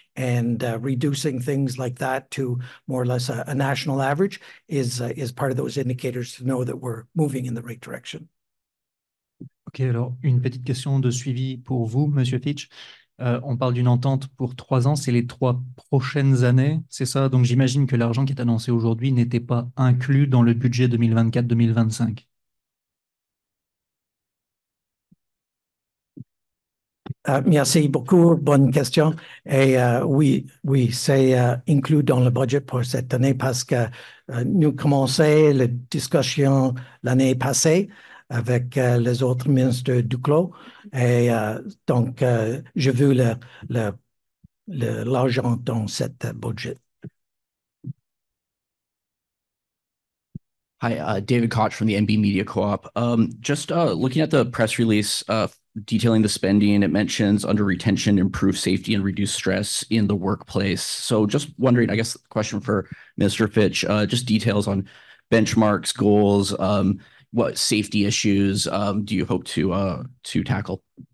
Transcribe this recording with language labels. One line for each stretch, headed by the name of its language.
English: And reducing things like that to more or less a national average is part of those indicators to know that we're moving in the right direction.
French: OK, alors une petite question de suivi pour vous, Monsieur Fitch. On parle d'une entente pour 3 ans, c'est les 3 prochaines années, c'est ça? Donc j'imagine que l'argent qui est annoncé aujourd'hui n'était pas inclus dans le budget 2024-2025. Merci beaucoup. Bonne question. Et oui, c'est inclus dans le budget pour cette année parce que nous commençons la discussion l'année passée avec les autres ministres du Clos. Et donc, j'ai vu l'argent dans cette budget.
English: Hi, David Koch from the NB Media Co-op. Looking at the press release, detailing the spending, it mentions under retention, improve safety and reduce stress in the workplace. So just wondering, I guess the question for Mr. Fitch, just details on benchmarks, goals, what safety issues do you hope to tackle?